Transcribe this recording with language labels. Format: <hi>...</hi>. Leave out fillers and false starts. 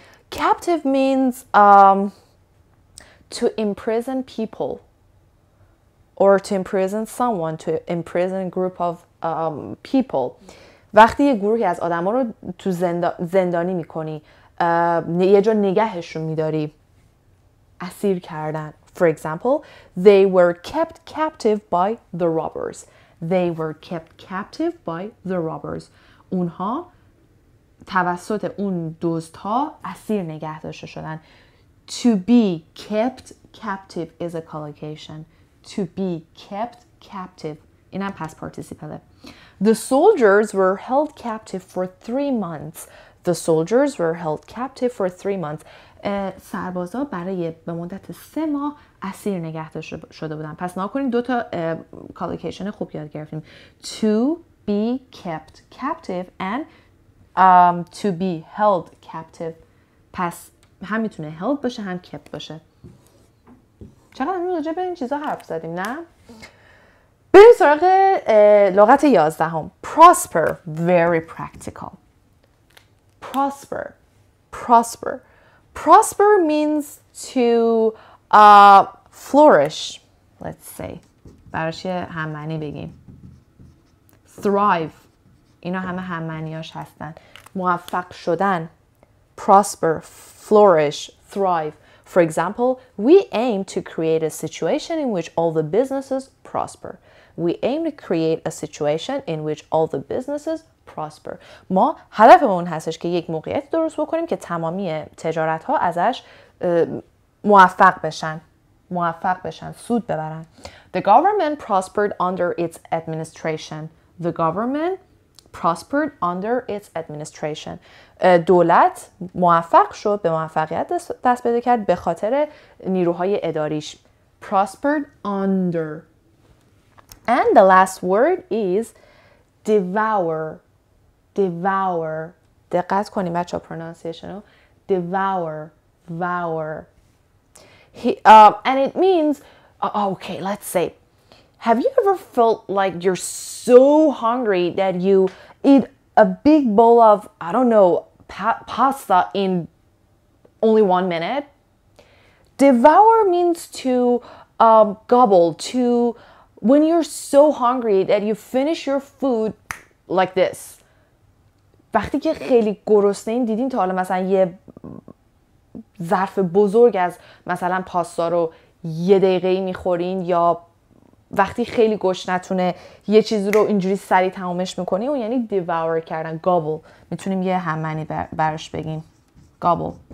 <en>Captive means to imprison people or to imprison someone, to imprison a group of people.</en> <fa>وقتی یه گروهی از آدم ها رو تو زندانی میکنی، یه جا نگهشون میداری، اسیر کردن.</fa> <en>For example, they were kept captive by the robbers. They were kept captive by the robbers.</en> <fa>اونها توسط اون دزدها اسیر نگه داشته شدن.</fa> <en>To be kept captive is a collocation. To be kept captive.</en> <fa>اینم past participle.</fa> <en>The soldiers were held captive for 3 months. The soldiers were held captive for 3 months.</en> <fa>سربازا برای به مدت 3 ماه اسیر نگه داشته شده بودن. پس ناکنین دوتا collocation خوب یاد گرفتیم.</fa> <en>To be kept captive and to be held captive.</en> <fa>پس هم میتونه held باشه هم kept باشه. چقدر امروز به این چیزا حرف زدیم نه؟ بریم سراغ لغت 11.</fa> <en>Prosper. Very practical. Prosper. Prosper means to flourish, let's say.</en> <fa>براش یه هم معنی بگیم.</fa> <en>Thrive.</en> <fa>اینا همه هم معنیاش هستن. موفق شدن.</fa> <en>Prosper, flourish, thrive. For example, we aim to create a situation in which all the businesses prosper. We aim to create a situation in which all the businesses prosper.</en> <fa>ما هدفمون هستش که یک موقعیت درست بکنیم که تمامی تجارت ها ازش موفق بشن. موفق بشن. سود ببرن.</fa> <en>The government prospered under its administration. The government prospered under its administration.</en> <fa>دولت موفق شد، به موفقیت دست پیدا کرد به خاطر نیروهای اداریش.</fa> <en>Prospered under. And the last word is devour. Devour.</en> <fa>دقت کنیم بچه ها پرونانسیشن رو.</fa> <en>Devour. Devour. And it means, okay, let's say, have you ever felt like you're so hungry that you eat a big bowl of, I don't know, pasta in only 1 minute? Devour means to gobble, to when you're so hungry that you finish your food like this.</en> <fa>وقتی که خیلی گرسنه این دیدین تا حالا مثلا یه ظرف بزرگ از مثلا پاستا رو یه دقیقه میخورین یا وقتی خیلی گشنتونه یه چیز رو اینجوری سریع تمومش میکنی اون یعنی devour کردن gobble میتونیم یه هممنی برش بگیم gobble.</fa>